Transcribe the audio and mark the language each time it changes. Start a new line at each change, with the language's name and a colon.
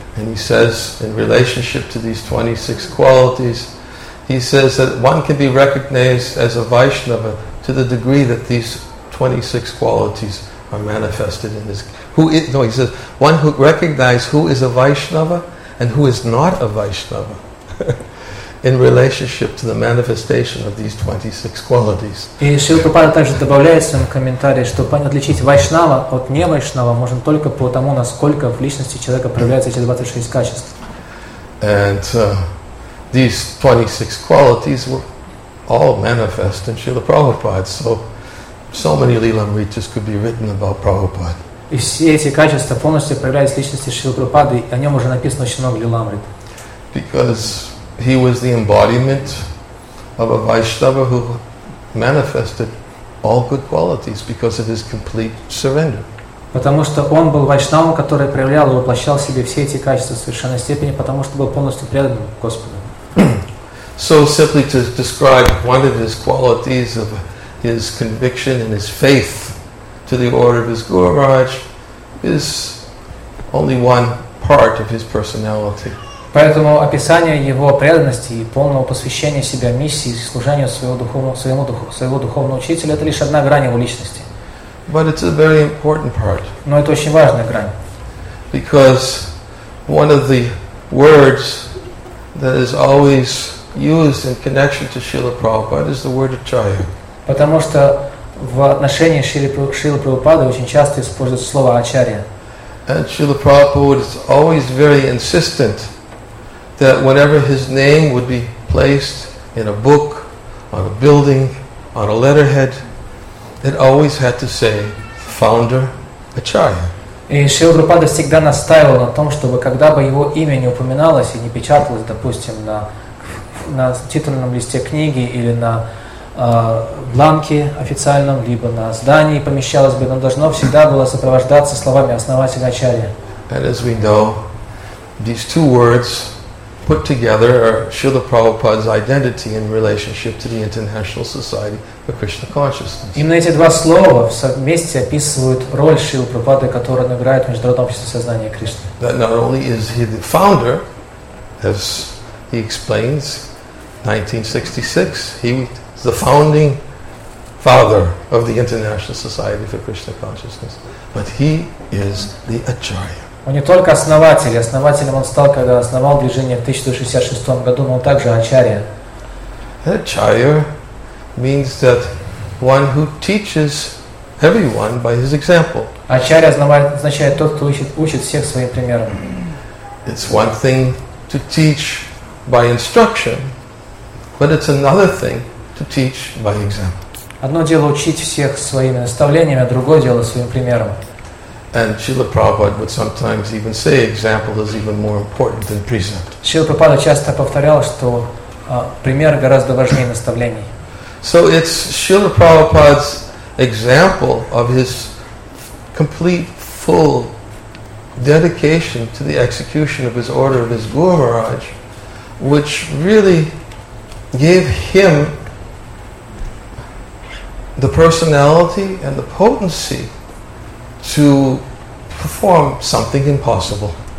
English: And he says, in relationship to these 26 qualities, he says that one can be recognized as a Vaishnava to the degree that these 26 qualities are manifested in his... he says, one who recognizes who is a Vaishnava and who is not a Vaishnava in relationship to the manifestation of these 26 qualities.
Russian: И Шрила Прабхупада также добавляет в своем комментарии, что отличить Вайшнава от невайшнава можно только по тому, насколько в личности человека проявляются эти 26 качеств.
English: And these 26 qualities were all manifest in Srila Prabhupada. So many Lilamritas could be written about Prabhupada.
Russian: И все эти качества полностью проявляются в личности Шрила Прабхупады, о нем уже написано очень много Лиламрит.
English: Because he was the embodiment of a Vaishnava who manifested all good qualities because of his complete surrender.
Russian: Потому что он был Вайшнавом, который проявлял и воплощал в себе все эти качества в совершенной степени, потому что был полностью предан Господу.
English: So simply to describe one of his qualities of his conviction and his faith to the order of his Guru Maharaj is only one part of his personality.
Russian: Поэтому описание его преданности и полного посвящения себя миссии и служению своего духовного учителя — это лишь одна грань его личности.
English: But it's a very important part.
Russian: Но это очень важная грань.
English: Because one of the words that is always used in connection to Srila Prabhupada is the word acharya.
Russian: Потому что в отношении Шрилы Прабхупады очень часто используется слово ачарья.
English: And Srila Prabhupada is always very insistent that whenever his name would be placed in a book, on a building, on a letterhead, it always had to say founder Acharya.
Russian: И Шрила Прабхупада всегда настаивал на том, чтобы когда бы его имя не упоминалось и не печаталось, допустим, на титульном листе книги или на бланке официальном, либо на здании помещалось бы, оно должно всегда было сопровождаться словами основателя Ачарьи.
English: And as we know, these two words put together are Srila Prabhupada's identity in relationship to the International Society for Krishna Consciousness.
Russian: Именно эти два слова вместе описывают роль Шрилы Прабхупады, которую он играет в Международном обществе сознания Кришны.
English: That not only is he the founder, as he explains, 1966, he was the founding father of the International Society for Krishna Consciousness, but he is the Acharya.
Russian: Он не только основатель, основателем он стал, когда основал движение в 1966 году, но он также ачарья. Ачарья means that one who teaches everyone by his example. Ачарья означает тот, кто учит всех своим примером.
English: It's one thing to teach by instruction, but it's another thing to teach by example.
Russian: Одно дело учить всех своими наставлениями, а другое дело своим примером.
English: And Srila Prabhupada would sometimes even say example is even more important than precept.
Russian: Srila Prabhupada часто повторял, что пример гораздо важнее наставлений.
English: So it's Srila Prabhupada's example of his complete, full dedication to the execution of his order of his Guru Maharaj, which really gave him the personality and the potency to perform something impossible.